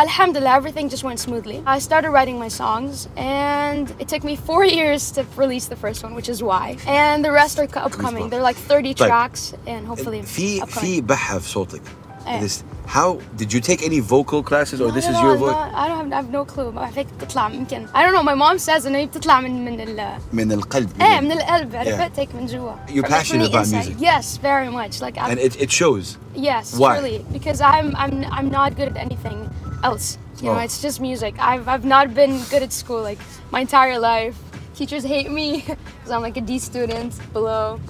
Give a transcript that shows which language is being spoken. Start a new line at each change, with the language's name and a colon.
English: Alhamdulillah, everything just went smoothly. I started writing my songs, and it took me 4 years to release the first one, which is why. And the rest are upcoming. They're like 30 tracks, and hopefully upcoming. This, how did you take any vocal classes or this is your voice? I have no clue. I think
Arabic: تطلع ممكن.
English: I don't know. My mom says
Arabic: أنه بتطلع من ال من القلب. إيه من القلب. عرفت هيك من جوا.
English: You're passionate about music. Yes, very much. Like and it shows. Yes. Why? Really, because I'm not good at anything else. You know, it's just music. I've not been good at school like my entire life. Teachers hate me because I'm like a D student below.